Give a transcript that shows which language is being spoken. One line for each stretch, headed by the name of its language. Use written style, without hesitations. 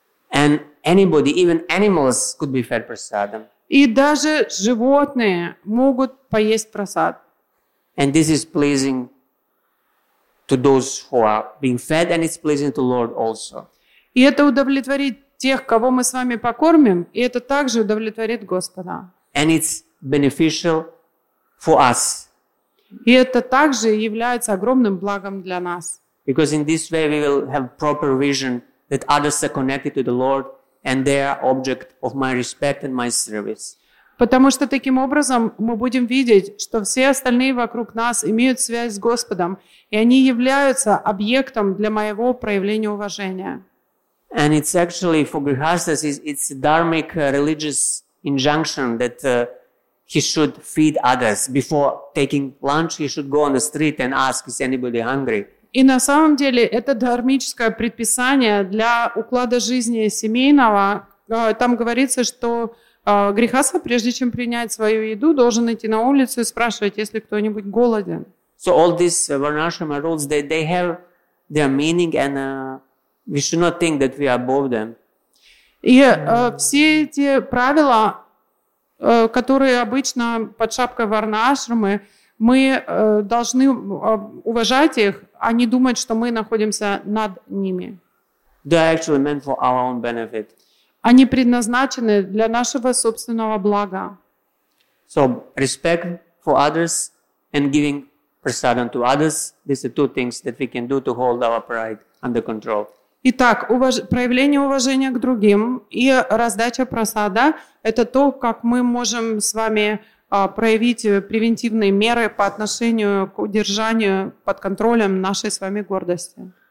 English: And anybody, even animals, could be fed prasadam.
Russian: И даже животные могут поесть просад.
English: And this is pleasing to those who are being fed, and it's pleasing to Lord also.
Russian: И это удовлетворит тех, кого мы с вами покормим, и это также удовлетворит Господа.
English: And it's beneficial for us.
Russian: И это также является огромным благом для нас.
English: Because in this way we will have proper vision that others are connected to the Lord and they are object of my respect and my service.
Russian: Потому что таким образом мы будем видеть, что все остальные вокруг нас имеют связь с Господом, и они являются объектом для моего проявления уважения.
English: And it's actually for grihasthas it's a dharmic religious injunction that he should feed others. Before taking lunch, he should go on the street and ask, is anybody hungry?
Russian: И на самом деле это дхармическое предписание для уклада жизни семейного. Там говорится, что грехаса, прежде чем принять свою еду, должен идти на улицу и спрашивать, есть ли кто-нибудь голоден.
English: So all these varnashrama rules, they have their meaning and we should not think that we are above them.
Russian: И все эти правила, которые обычно под шапкой варнашрамы, мы должны уважать их, а не думать, что мы находимся над ними.
English: They're actually meant for our own benefit.
Russian: Они предназначены для нашего собственного блага.
English: So, respect for others and giving prasadam to others, these are two things that we can do to hold our pride under control.
Russian: Итак, проявление уважения к другим и раздача просада — это то, как мы можем с вами проявить превентивные меры по отношению к удержанию под контролем нашей с вами гордости.